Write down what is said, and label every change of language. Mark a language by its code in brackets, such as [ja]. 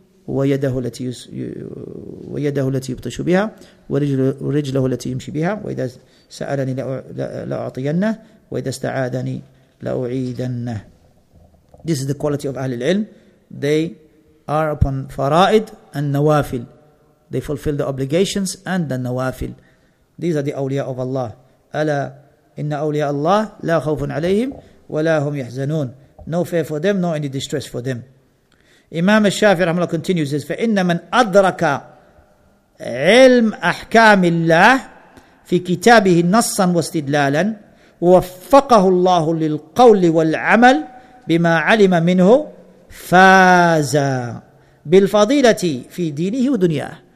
[ar] ويده التي ويده التي يبطش بها ورجله التي يمشي بها، وإذا سألني لأعطينه وإذا استعاذني لأعيدنه. [en] This is the quality of [ar] أهل العلم. [en] They are upon فرائد and نوافل. They fulfill the obligations and the نوافل. These are the أولياء of Allah. [ar] ألا إن أولياء الله لا خوف عليهم ولا هم يحزنون. [en] No fear for them, nor any distress for them. Imam al-Shafi'i rahimahullah continues, says, [ar] فَإِنَّ مَنْ أَدْرَكَ عِلْمَ أَحْكَامِ اللَّهِ فِي كِتَابِهِ نَصًّا وَاسْتِدْلَالًا وَوَفَّقَهُ اللَّهُ لِلْقَوْلِ وَالْعَمَلِ بِمَا عَلِمَ مِنْهُ فَازَ بِالْفَضِيلَةِ فِي دِينِهِ وَدُنْيَاهِ.